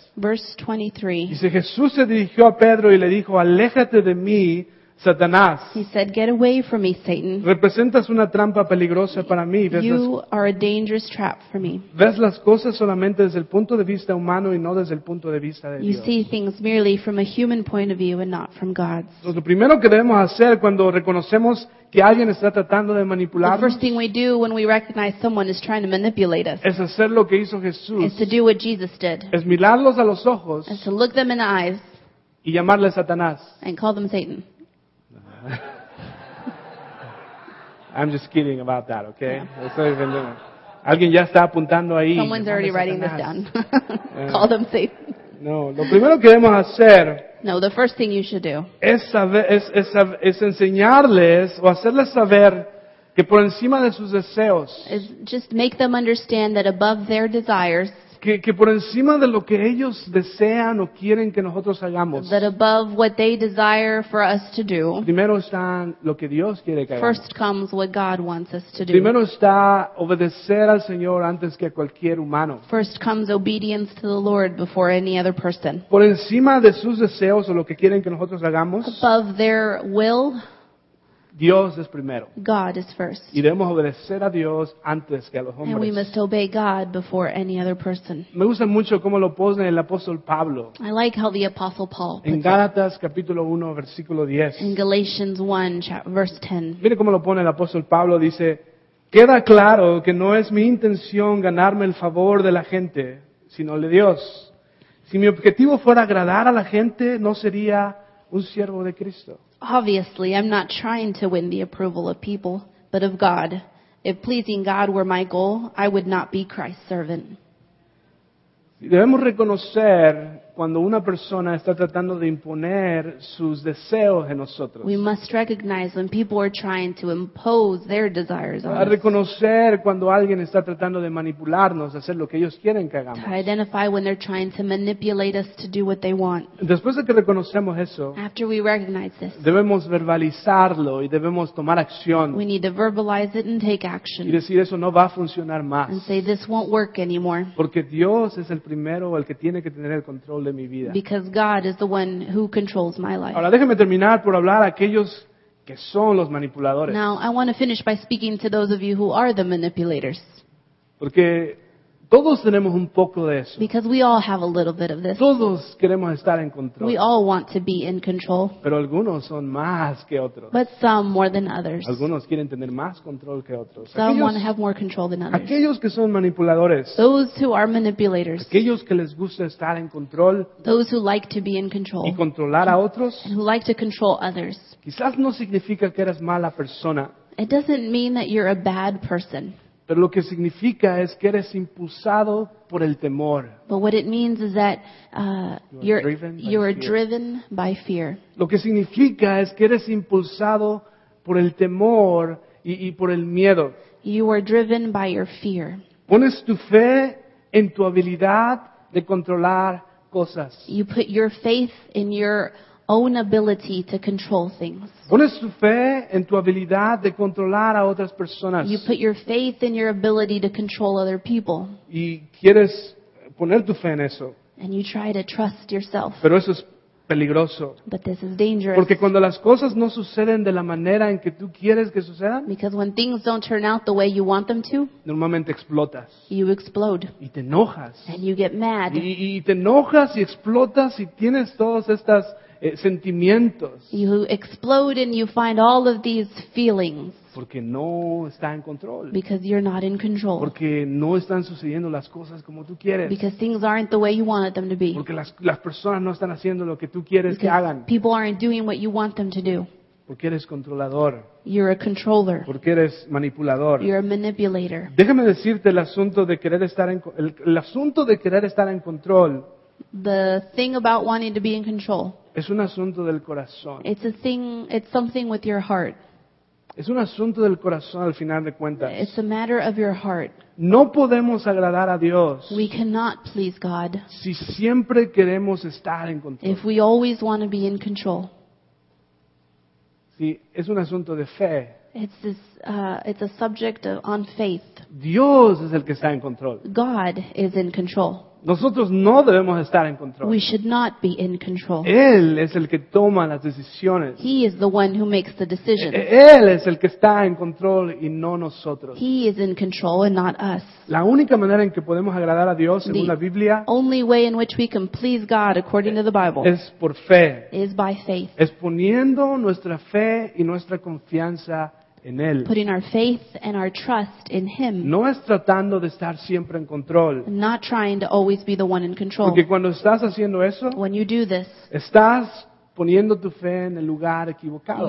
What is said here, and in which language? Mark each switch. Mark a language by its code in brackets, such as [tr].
[en] Verse 23. [es] Dice, Jesús se dirigió a Pedro y le dijo, aléjate de mí, Satanás. [en] He said, "Get away from me, Satan." [es] Representas una trampa peligrosa para mí. [en] You are a dangerous trap for me. [es] Ves las cosas solamente desde el punto de vista humano y no desde el punto de vista de Dios. [en] You see things merely from a human point of view and not from God's. [es] Entonces, lo primero que debemos hacer cuando reconocemos que alguien está tratando de manipularnos. [en] The first thing we do when we recognize someone is trying to manipulate us. [es] Es hacer lo que hizo Jesús. [en] Is to do what Jesus did. [es] Es mirarlos a los ojos. [en] Is to look them in the eyes. [es] Y llamarles Satanás. [en] And call them Satan. I'm just kidding about that, okay? Yeah. [es] Alguien ya está apuntando ahí. [en] Someone's already writing this down. Call them Satan. [es] No, lo primero que debemos hacer. [en] No, the first thing you should do. [es] Es enseñarles o hacerles saber que por encima de sus deseos. [en] Is just make them understand that above their desires. [es] Que por encima de lo que ellos desean o quieren que nosotros hagamos. [en] That above what they desire for us to do. [es] Primero está lo que Dios quiere que hagamos. [en] First comes what God wants us to do. [es] Primero está obedecer al Señor antes que a cualquier humano. [en] First comes obedience to the Lord before any other person. [es] Por encima de sus deseos o lo que quieren que nosotros hagamos. [en] Above their will. [es] Dios es primero. [en] God is first. [es] Y debemos obedecer a Dios antes que a los hombres. [en] And we must obey God before any other person. [es] Me gusta mucho cómo lo pone el apóstol Pablo. [en] I like how the apostle Paul puts [es] it. En Gálatas capítulo 1 versículo 10. [en] In Galatians 1 verse 10. [es] Mire cómo lo pone el apóstol Pablo, dice, "Queda claro que no es mi intención ganarme el favor de la gente, sino el de Dios. Si mi objetivo fuera agradar a la gente, no sería un siervo de Cristo." [en] Obviously, I'm not trying to win the approval of people, but of God. If pleasing God were my goal, I would not be Christ's servant. [es] Debemos reconocer cuando una persona está tratando de imponer sus deseos en nosotros. [en] We must recognize when people are trying to impose their desires on us. [es] A reconocer cuando alguien está tratando de manipularnos, hacer lo que ellos quieren que hagamos. [en] To identify when they're trying to manipulate us to do what they want. [es] Después de que reconocemos eso, [en] after we recognize this, [es] debemos verbalizarlo y debemos tomar acción. [en] We need to verbalize it and take action. [es] Y decir eso no va a funcionar más. [en] And say this won't work anymore. [es] Porque Dios es el primero el que tiene que tener el control. [en] Because God is the one who controls my life. [es] Ahora déjeme terminar por hablar a aquellos que son los manipuladores. [en] Now I want to finish by speaking to those of you who are the manipulators. [es] Porque todos tenemos un poco de eso. [en] Because we all have a little bit of this. [es] Todos queremos estar en control. [en] We all want to be in control. [es] Pero algunos son más que otros. [en] But some more than others. [es] Algunos quieren tener más control que otros. [en] Some [es] aquellos, [en] want to have more control than others. [es] Aquellos que son manipuladores. [en] Those who are manipulators. [es] Aquellos que les gusta estar en control. [en] Those who like to be in control. [es] Y controlar a otros. [en] And who like to control others. [es] Quizás no significa que eres mala persona. [en] It doesn't mean that you're a bad person. [es] Pero lo que significa es que eres impulsado por el temor. [en] But what it means is that you're driven by fear. [es] Lo que significa es que eres impulsado por el temor y por el miedo. [en] You are driven by your fear. [es] Pones tu fe en tu habilidad de controlar cosas. [en] You put your faith in your own ability to control things. [es] Pones tu fe en tu habilidad de controlar a otras personas. [en] You put your faith in your ability to control other people. [es] Y quieres poner tu fe en eso. [en] And you try to trust yourself. [es] Pero eso es peligroso. [en] But this is dangerous. [es] Porque cuando las cosas no suceden de la manera en que tú quieres que sucedan. [en] Because when things don't turn out the way you want them to. [es] Normalmente explotas. [en] You explode. [es] Y te enojas. [en] And you get mad. [es] Y te enojas y explotas y tienes todas estas sentimientos. [en] You explode and you find all of these feelings. [es] Porque no está en control. [en] Because you're not in control. [es] Porque no están sucediendo las cosas como tú quieres. [en] Because things aren't the way you wanted them to be. [es] Porque las personas no están haciendo lo que tú quieres [en] because [es] que hagan. [en] People aren't doing what you want them to do. [es] Porque eres controlador. [en] You're a controller. [es] Porque eres manipulador. [en] You're a manipulator. [es] Déjame decirte el asunto de querer estar en el asunto de querer estar en control. [en] The thing about wanting to be in control. [es] Es un asunto del corazón. [en] It's a thing, it's something with your heart. [es] Es un asunto del corazón al final de cuentas. [en] It's a matter of your heart. [es] No podemos agradar a Dios. [en] We cannot please God. [es] Si siempre queremos estar en control. [en] If we always want to be in control. [es] Sí, es un asunto de fe. [en] It's a subject on faith. [es] Dios es el que está en control. [en] God is in control. [es] Nosotros no debemos estar en control. [en] We should not be in control. [es] Él es el que toma las decisiones. [en] He is the one who makes the decisions. [es] Él es el que está en control y no nosotros. [en] He is in control and not us. [es] La única manera en que podemos agradar a Dios según [en] the [es] la Biblia, [en] only way in which we can please God according to the Bible, [es] es por fe. [en] Is by faith. [es] Es poniendo nuestra fe y nuestra confianza en él. [en] Putting our faith and our trust in Him. [es] No es tratando de estar siempre en control. [en] Not trying to always be the one in control. [es] Porque cuando estás haciendo eso, [en] when you do this, [es] estás poniendo tu fe en el lugar equivocado.